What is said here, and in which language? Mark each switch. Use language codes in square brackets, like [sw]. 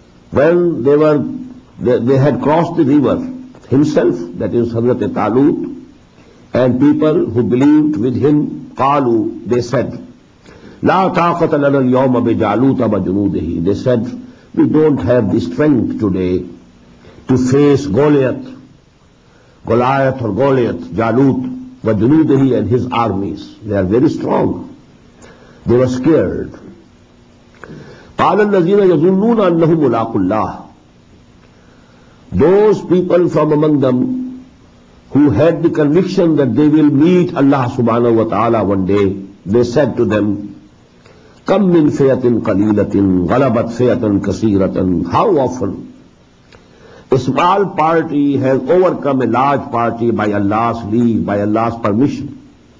[en] When they had crossed the river, himself, that is Hazrat Talut, and people who believed with him, [ar] قالوا, [en] they said, [ar] لا طاقة لنا اليوم بجالوت وبجنوده. [en] They said, we don't have the strength today to face Goliath, Jalut, وجنوده and his armies. They are very strong. They were scared. [ar] قال الذين يظنون أنهم ملاقوا الله. [en] Those people from among them who had the conviction that they will meet Allah subhanahu wa ta'ala one day, they said to them, [ar] كم من فئة قليلة غلبت فئة كثيرة. [en] How often a small party has overcome a large party by Allah's leave, by Allah's permission.